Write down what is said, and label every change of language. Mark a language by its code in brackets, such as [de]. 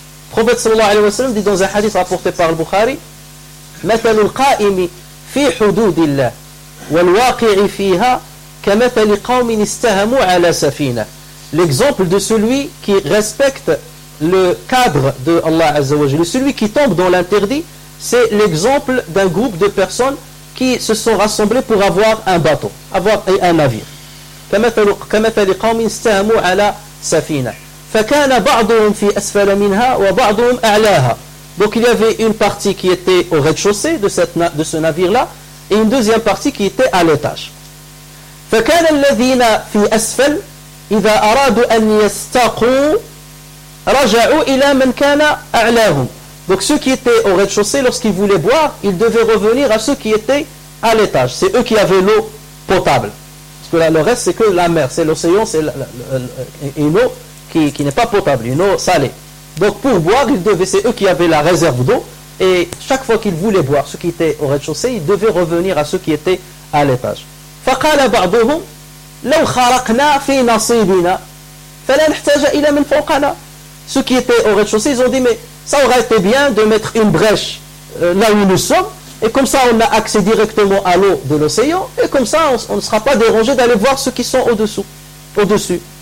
[fr] Le prophète sallallahu alayhi wa sallam dit dans un hadith rapporté par le Bukhari, « [ar] مَثَلُ الْقَائِمِ فِي حُدُودِ اللَّهِ وَالْوَاقِعِ فِيهَا كَمَثَلِ قَوْمٍ اسْتَهَمُوا عَلَى سَفِينَةٍ [fr] » L'exemple de celui qui respecte le cadre de Allah Azza wa Jalla, celui qui tombe dans l'interdit, c'est l'exemple d'un groupe de personnes qui se sont rassemblées pour avoir un bateau, avoir un navire. [ar] كَمَثَلِ قَوْمٍ اسْتَهَمُوا عَلَى سَفِينَةٍ فَكَانَ بَعْضُهُمْ فِي أَسْفَلَ مِنْهَا وَبَعْضُهُمْ أَعْلَاهَا. [fr] Donc il y avait une partie qui était au rez-de-chaussée de ce navire-là et une deuxième partie qui était à l'étage. [ar] فَكَانَ الَّذِينَ فِي أَسْفَلَ إذا أرادوا أن يستقوا رجعوا إلى من كان أعلاهم. [fr] Donc ceux qui étaient au rez-de-chaussée, lorsqu'ils voulaient boire, ils devaient revenir à ceux qui étaient à l'étage. C'est eux qui avaient l'eau potable. Parce que là, le reste, c'est que la mer, c'est l'océan, c'est une eau qui n'est pas potable, une eau salée. Donc pour boire, c'est eux qui avaient la réserve d'eau. Et chaque fois qu'ils voulaient boire, ceux qui étaient au rez-de-chaussée, ils devaient revenir à ceux qui étaient à l'étage. [ar] فقال بعضهم لو خرقنا في نصيبنا فلا نحتاج الى من فوقنا. [fr] Ceux qui étaient au rez-de-chaussée, ils ont dit, mais ça aurait été bien de mettre une brèche là où nous sommes, et comme ça on a accès directement à l'eau de l'océan, et comme ça on ne sera pas dérangé d'aller voir ceux qui sont au-dessus.